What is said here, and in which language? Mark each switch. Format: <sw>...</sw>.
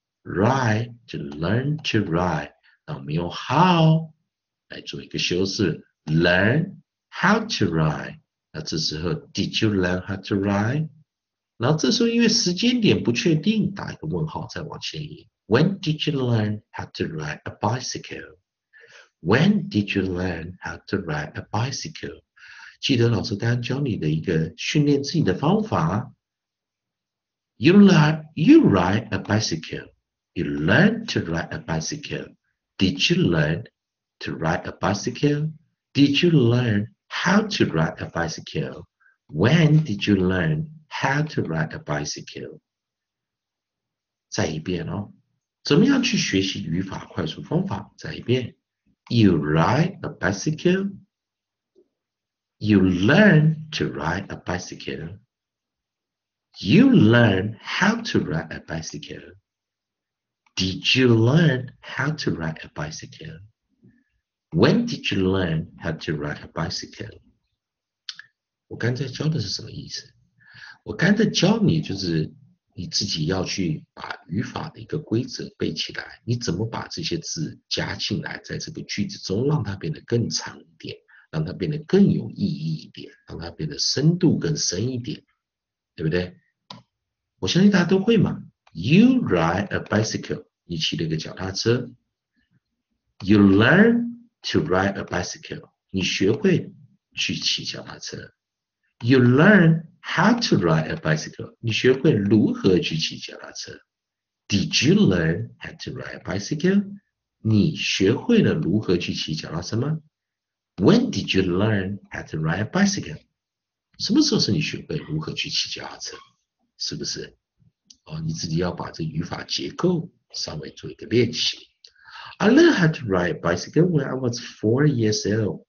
<zh>Ride 就 learn to ride，那我们用 how 来做一个修饰，</zh> <en>learn how to ride。</en> <zh>那这时候</zh> <en>did you learn how to ride？</en> <zh>然后这时候因为时间点不确定，打一个问号再往前移。</zh> <en>When did you learn how to ride a bicycle？When did you learn how to ride a bicycle？</en> <zh>记得老师刚刚教你的一个训练自己的方法。</zh> <en>You ride a bicycle。 You learned to ride a bicycle. Did you learn to ride a bicycle? Did you learn how to ride a bicycle? When did you learn how to ride a bicycle?</en> <zh>再一遍哦，怎么样去学习语法快速方法？再一遍，</zh> <en>You ride a bicycle. You learn to ride a bicycle. You learn how to ride a bicycle. Did you learn how to ride a bicycle? When did you learn how to ride a bicycle?</en> <zh>我刚才教的是什么意思？我刚才教你就是你自己要去把语法的一个规则背起来，你怎么把这些字加进来，在这个句子中让它变得更长一点，让它变得更有意义一点，让它变得深度更深一点，对不对？我相信大家都会嘛。</zh> <en>You ride a bicycle。</en> <zh>你骑了个脚踏车，</zh> <en>You learn to ride a bicycle。</en> <zh>你学会去骑脚踏车，</zh> <en>You learn how to ride a bicycle。</en> <zh>你学会如何去骑脚踏车，</zh> <en>Did you learn how to ride a bicycle？</en> <zh>你学会了如何去骑脚踏车吗？</zh> <en>When did you learn how to ride a bicycle？</en> <zh>什么时候是你学会如何去骑脚踏车？是不是？你自己要把这语法结构。稍微做一个练习。</zh> <en>I learned how to ride a bicycle when I was 4 years old.</en>